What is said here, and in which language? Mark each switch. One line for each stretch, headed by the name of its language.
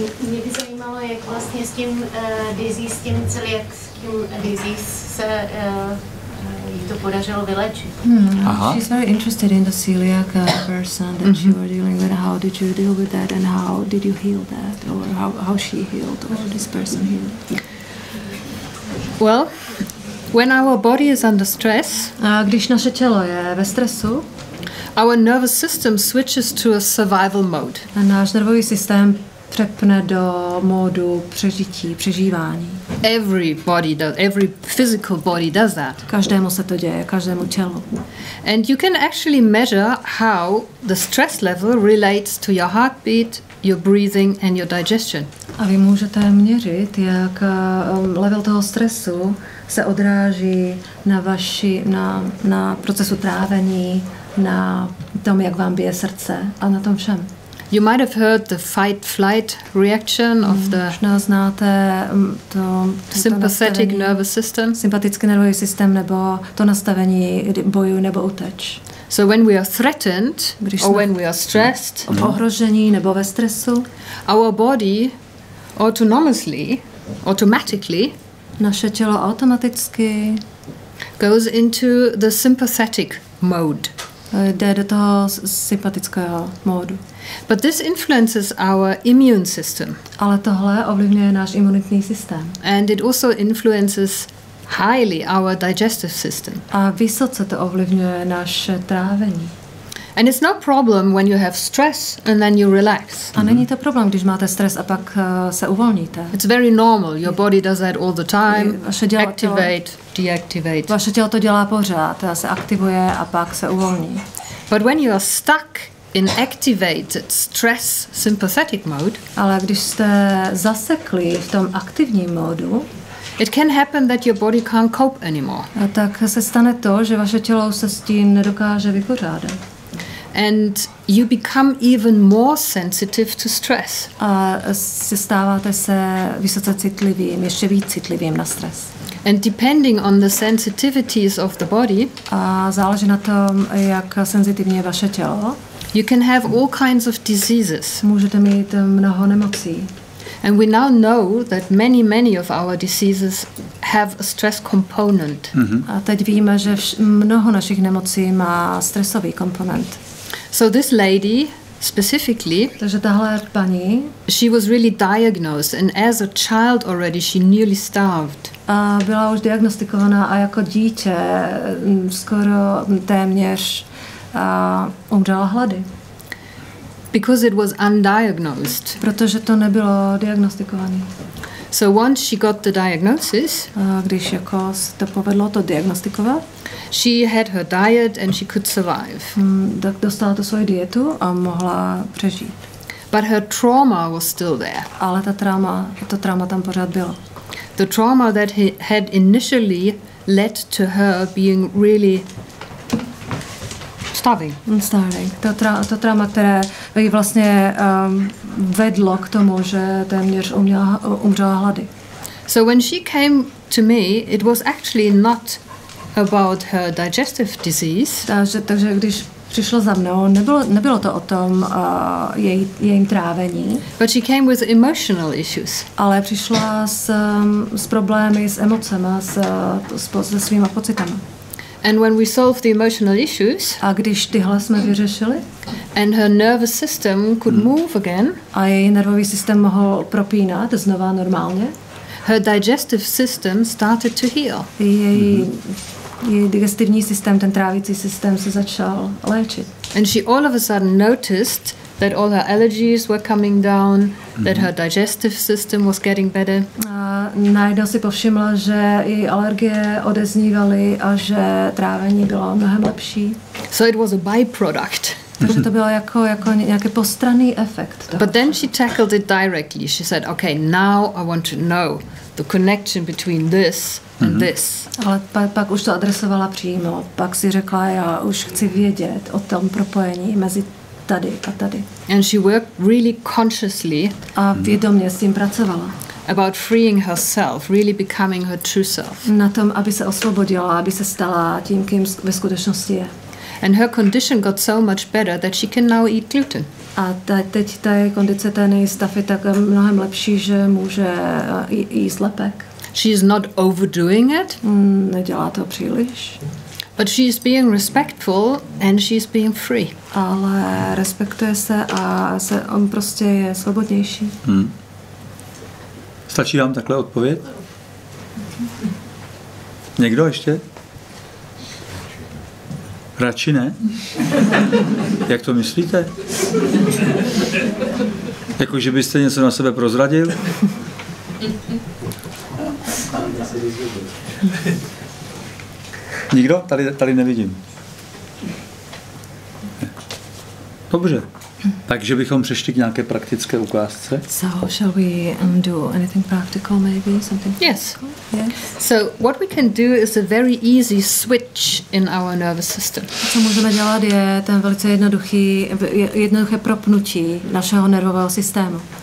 Czech: Mě by zajímalo, jak vlastně s tím disease, s tím celiakským disease se to podařilo vyléčit.
English: She's very interested in the celiac person that you were dealing with. How did you deal with that and how did you heal that? Or how she healed or this person healed? Well, when our body is under stress,
Czech: když naše tělo je ve stresu,
English: our nervous system switches to a survival mode.
Czech: A náš nervový systém přepne do módu přežití, přežívání.
English: Every physical body does that.
Czech: Každému se to děje, každému tělu.
English: And you can actually measure how the stress level relates to your heartbeat, your breathing and your digestion.
Czech: A vy můžete měřit, jak level toho stresu se odráží na vaši, na procesu trávení, na tom, jak vám bije srdce a na tom všem.
English: You might have heard the fight flight reaction of the
Czech: znáte to
English: sympathetic nervous system,
Czech: sympatický nervový systém nebo to nastavení boju nebo uteč.
English: So when we are threatened or when we are stressed,
Czech: ohrožení nebo ve stresu,
English: our body autonomously, automatically,
Czech: naše tělo automaticky
English: goes into the sympathetic mode.
Czech: Jde do toho sympatického módu.
English: But this influences our immune system.
Czech: Ale tohle ovlivňuje náš imunitní systém.
English: And it also influences highly our digestive system.
Czech: A vysoce to ovlivňuje naše trávení.
English: And it's no problem when you have stress and then you relax.
Czech: A není to problém, když máte stres a pak se uvolníte.
English: It's very normal. Your body does that all the time. Activate, deactivate.
Czech: Vaše tělo to dělá pořád. To se aktivuje a pak se uvolní.
English: But when you are stuck in activated stress sympathetic mode,
Czech: ale když jste zasekli v tom aktivním módu,
English: it can happen that your body can't cope anymore.
Czech: A tak se stane to, že vaše tělo se s tím nedokáže vypořádat.
English: And you become even more sensitive to stress.
Czech: A se stáváte se vysoce citlivým, ještě víc citlivým na stres.
English: And depending on the sensitivities of the body,
Czech: a záleží na tom, jak senzitivní je vaše tělo,
English: you can have all kinds of diseases.
Czech: Můžete mít mnoho nemocí.
English: And we now know that many, many of our diseases have a stress component. Mm-hmm.
Czech: A teď víme, že mnoho našich nemocí má stresový komponent.
English: So this lady specifically,
Czech: takže tahle paní,
English: she was really diagnosed and as a child already she nearly starved.
Czech: A byla už diagnostikovaná a jako dítě skoro téměř umřela hlady.
English: Because it was undiagnosed.
Czech: Protože to nebylo diagnostikované.
English: So once she got the diagnosis,
Czech: když jako se to povedlo to diagnostikovat,
English: she had her diet and she could survive.
Czech: Tak dostala to svoji dietu a mohla přežít.
English: But her trauma was still there.
Czech: Ale ta trauma, to trauma tam pořád bylo.
English: The trauma that had initially led to her being really starving.
Czech: To trauma, které ji vlastně vedlo k tomu, že téměř umřela hlady.
English: So when she came to me, it was actually not about her digestive disease.
Czech: Takže když přišla za mnou, nebylo to o tom jejím trávení.
English: But she came with emotional issues.
Czech: Ale přišla s problémy, s emocema, se svýma pocitama.
English: And when we solve the emotional issues,
Czech: a když tyhle jsme vyřešili,
English: and her nervous system could move again,
Czech: a její nervový systém mohl propínat znova normálně,
English: her digestive system started to heal.
Czech: Její digestivní systém, ten trávicí systém se začal léčit.
English: And she all of a sudden noticed that all her allergies were coming down, that her digestive system was getting better.
Czech: A najednou si povšimla, že i alergie odeznívaly a že trávení bylo mnohem lepší.
English: So it was a byproduct.
Czech: Takže to bylo jako nějaký postranný efekt.
English: But then she tackled it directly. She said, okay, now I want to know the connection between this and this.
Czech: Ale pak už to adresovala přímo. Pak si řekla, já už chci vědět o tom propojení mezi tady a tady.
English: And she worked really consciously.
Czech: A vědomě s tím pracovala.
English: About freeing herself, really becoming her true self.
Czech: Na tom, aby se osvobodila, aby se stala tím, kým ve skutečnosti je.
English: And her condition got so much better that she can now eat gluten.
Czech: A teď ta její kondice, ten její stav je tak mnohem lepší, že může jíst lepek.
English: She is not overdoing it.
Czech: Nedělá to příliš.
English: But she is being respectful and she is being free.
Czech: Ale respektuje se a se on prostě je svobodnější. Stačí vám takhle odpověď? Někdo ještě? Radši ne? Jak to myslíte? Jako, že byste něco na sebe prozradil? Nikdo? Tady nevidím. Dobře. Takže bychom přešli k nějaké praktické ukázce.
English: So, shall we do anything practical maybe? Something practical? Yes. So, what we can do is a very easy switch in our nervous system.
Czech: Co můžeme dělat je ten velice jednoduché propnutí našeho nervového systému.